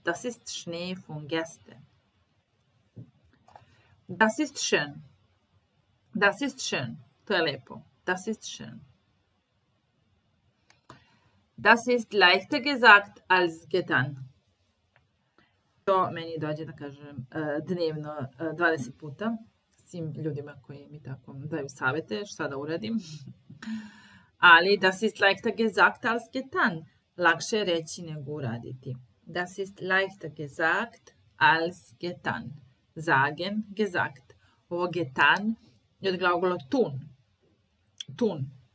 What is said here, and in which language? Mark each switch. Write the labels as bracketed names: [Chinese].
[German] Das ist Schnee von gestern. Das ist schön. Das ist schön. [Serbian] To je lepo. [German] Das ist schön. Das ist leichter gesagt als getan. [Serbian] To meni dođe da kažem dnevno 20 puta svim ljudima koji mi tako daju savete šta da uradim. [German] Ali das ist leichter gesagt als getan. [Serbian] Lakše je reći nego uraditi. [German] Das ist leichter gesagt als getan. Sagen, gesagt. Ovo getan [Serbian] je od glagola [German] tun. Tun.